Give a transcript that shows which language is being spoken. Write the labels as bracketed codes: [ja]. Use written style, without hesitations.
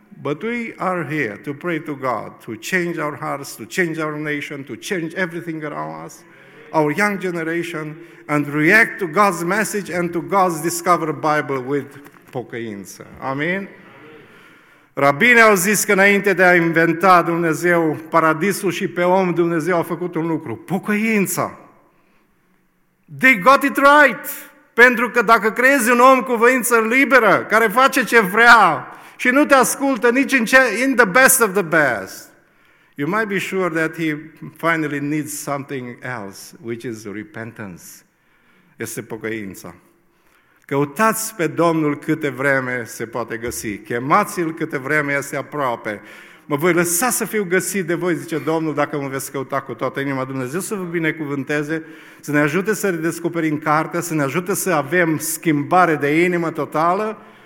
[en] But we are here to pray to God, to change our hearts, to change our nation, to change everything around us, our young generation, and react to God's message and to God's discovered Bible with pocăință. Amen? [ro] Rabine au zis că înainte de a inventa Dumnezeu paradisul și pe om, Dumnezeu a făcut un lucru, pocăința. [en] They got it right! [ro] Pentru că dacă creezi un om cu voință liberă, care face ce vrea, și nu te ascultă nici în ce, [en] in the best of the best. You might be sure that he finally needs something else, which is repentance. [ro] Este pocăința. Căutați pe Domnul câte vreme se poate găsi. Chemați-L câte vreme este aproape. Mă voi lăsa să fiu găsit de voi, zice Domnul, dacă mă veți căuta cu toată inima. Dumnezeu să vă binecuvânteze, să ne ajute să redescoperim cartea, să ne ajute să avem schimbare de inimă totală.